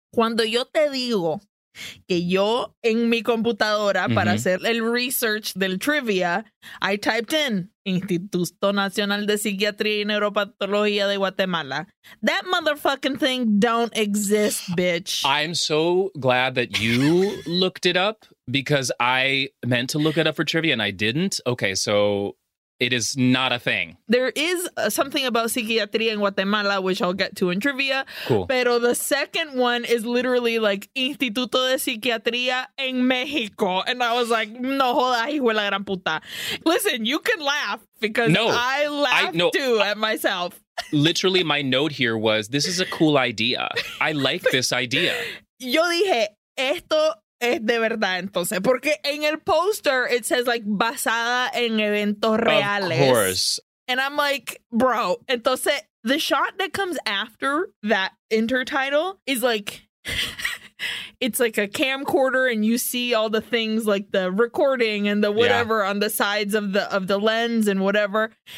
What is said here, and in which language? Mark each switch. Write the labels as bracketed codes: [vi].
[es] Cuando yo te digo que yo en mi computadora para hacer el research del trivia, [en] I typed in [es] Instituto Nacional de Psiquiatría y Neuropatología de Guatemala. [en] That motherfucking thing don't exist, bitch. I'm so glad that you looked it up because I meant to look it up for trivia and I didn't. Okay, so it is not a thing. There is something about psiquiatría in Guatemala, which I'll get to in trivia. Cool. [es] Pero [en] the second one is literally like Instituto de Psiquiatría en México. And I was like, [es] no joda, hijo de la gran puta. [en] Listen, you can laugh because I laugh too at myself. Literally, my note here was, this is a cool idea. I like this idea. [es] Yo dije, esto es de verdad, entonces, porque en el poster [en] it says like [es] basada en eventos reales. [en] Of course. And I'm like, bro, entonces the shot that comes after that intertitle is like, it's like a camcorder and you see all the things like the recording and the whatever on the sides of the lens and whatever.